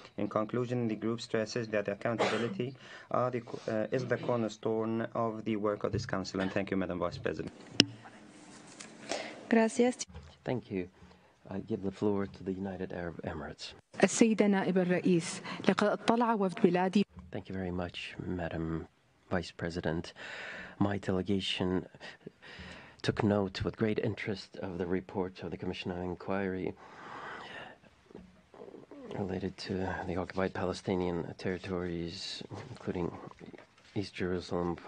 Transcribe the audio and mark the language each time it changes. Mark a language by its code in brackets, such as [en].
[en] In conclusion, the group stresses that the accountability is the cornerstone of the work of this council. And thank you, Madam Vice President. [es] Gracias. [en] Thank you. I give the floor to the United Arab Emirates. [ar] السيدة نائب الرئيس لقد اطلع وفد بلادي. [en] Thank you very much, Madam Vice President. My delegation took note with great interest of the report of the Commission of Inquiry related to the occupied Palestinian territories, including East Jerusalem.